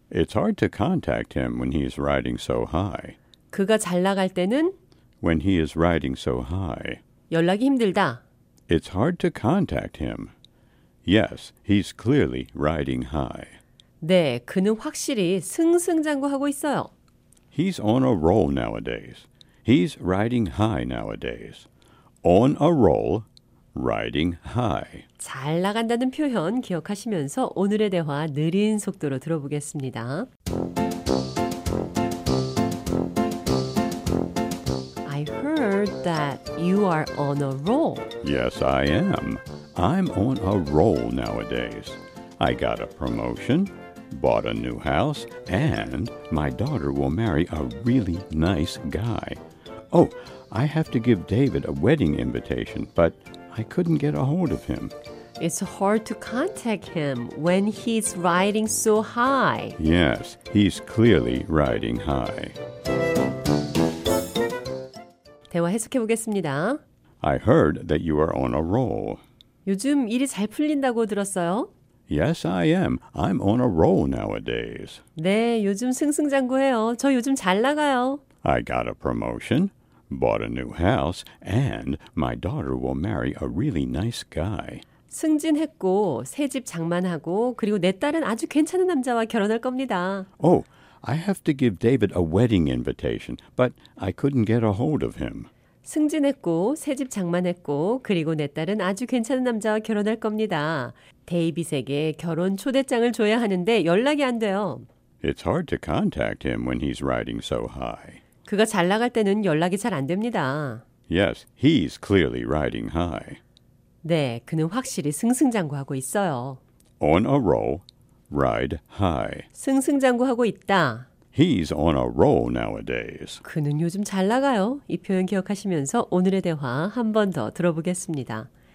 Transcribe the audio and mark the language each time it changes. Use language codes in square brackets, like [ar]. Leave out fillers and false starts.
[en] It's hard to contact him when he's riding so high. [ko] 그가 잘 나갈 때는 [en] When he is riding so high. [ko] 연락이 힘들다. [en] It's hard to contact him. Yes, he's clearly riding high. [ko] 네, 그는 확실히 승승장구하고 있어요. [en] He's on a roll nowadays. He's riding high nowadays. On a roll, riding high. [ko] 잘 나간다는 표현 기억하시면서 오늘의 대화 느린 속도로 들어보겠습니다. [en] I heard that you are on a roll. Yes, I am. I'm on a roll nowadays. I got a promotion, bought a new house, and my daughter will marry a really nice guy. Oh, I have to give David a wedding invitation, but I couldn't get a hold of him. It's hard to contact him when he's riding so high. Yes, he's clearly riding high. [ko] 대화 해석해 보겠습니다. [en] I heard that you are on a roll. [ko] 요즘 일이 잘 풀린다고 들었어요. [en] Yes, I am. I'm on a roll nowadays. [ko] 네, 요즘 승승장구해요. 저 요즘 잘 나가요. [en] I got a promotion, bought a new house, and my daughter will marry a really nice guy. [ko] 승진했고, 새 집 장만하고, 그리고 내 딸은 아주 괜찮은 남자와 결혼할 겁니다. [en] Oh, I have to give David a wedding invitation, but I couldn't get a hold of him. [ko] 승진했고, 새 집 장만했고, 그리고 내 딸은 아주 괜찮은 남자와 결혼할 겁니다. 데이빗에게 결혼 초대장을 줘야 하는데 연락이 안 돼요. [en] It's hard to contact him when he's riding so high. [ko] 그가 잘 나갈 때는 연락이 잘 안 됩니다. [en] Yes, he's clearly riding high. [ko] 네, 그는 확실히 승승장구하고 있어요. [en] On a roll, ride high. [ko] 승승장구하고 있다. [en] He's on a roll nowadays. [ko] 그는 요즘 잘 나가요. 이 표현 기억하시면서 오늘의 대화 한 번 더 들어보겠습니다.